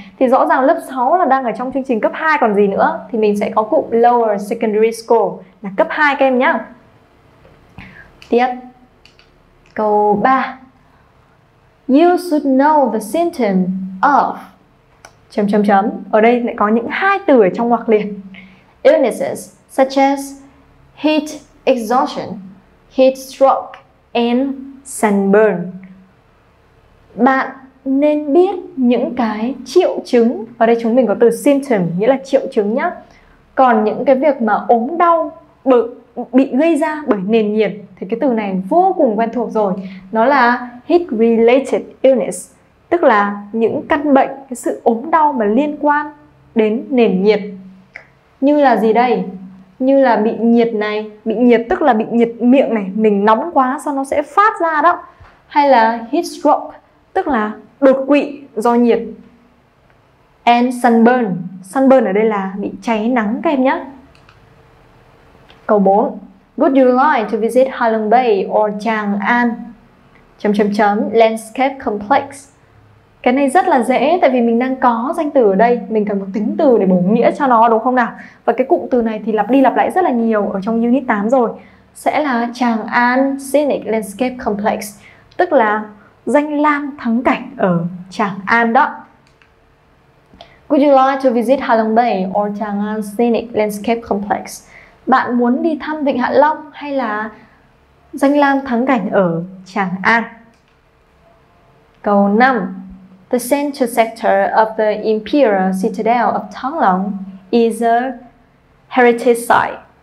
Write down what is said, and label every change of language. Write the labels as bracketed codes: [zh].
[vi] Thì rõ ràng lớp 6 là đang ở trong chương trình cấp 2 còn gì nữa, thì mình sẽ có cụm [en] lower secondary school [vi] là cấp 2 các em nhá. Tiếp. Câu 3. [en] You should know the symptom of [vi] Ở đây lại có những hai từ ở trong ngoặc liền. [en] Illnesses such as heat exhaustion, heat stroke and sunburn. [vi] Bạn nên biết những cái triệu chứng. Ở đây chúng mình có từ symptom, nghĩa là triệu chứng nhá. Còn những cái việc mà ốm đau, bực, bị gây ra bởi nền nhiệt, thì cái từ này vô cùng quen thuộc rồi. Nó là [en] heat related illness, [vi] tức là những căn bệnh, cái sự ốm đau mà liên quan đến nền nhiệt. Như là gì đây? Như là bị nhiệt này, bị nhiệt tức là bị nhiệt miệng này, mình nóng quá sao nó sẽ phát ra đó. Hay là [en] heat stroke, [vi] tức là đột quỵ do nhiệt. [en] And sunburn, sunburn [vi] ở đây là bị cháy nắng các em nhé. Câu 4. [en] Would you like to visit Halong Bay or Chang An? Landscape complex. [vi] Cái này rất là dễ, tại vì mình đang có danh từ ở đây, mình cần một tính từ để bổ nghĩa cho nó, đúng không nào? Và cái cụm từ này thì lặp đi lặp lại rất là nhiều ở trong unit 8 rồi. Sẽ là Chang An Scenic Landscape Complex, tức là danh lam thắng cảnh ở Chang An đó. [en] Would you like to visit Halong Bay or Chang An Scenic Landscape Complex? [vi] Bạn muốn đi thăm Vịnh Hạ Long hay là danh lam thắng cảnh ở Chang An? Câu 5. [en] The central sector of the Imperial Citadel of Thonglong is a heritage site.